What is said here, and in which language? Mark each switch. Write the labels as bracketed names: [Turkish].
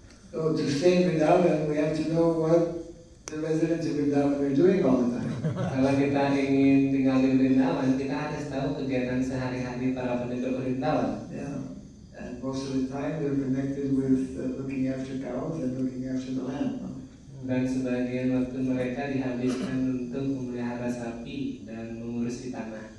[English] So to stay in Vrindavan, we have to know what the residents of Vrindavan are doing all the time. [Indonesian] Kalau kita ingin tinggal di Vrindavan, kita harus tahu kegiatan sehari-hari para penduduk Vrindavan. Yeah. [English] Most of the time, they're connected with looking after cows and looking after the land. [Indonesian] Dan sebagian waktu mereka dihabiskan untuk memelihara sapi dan mengurusi tanah.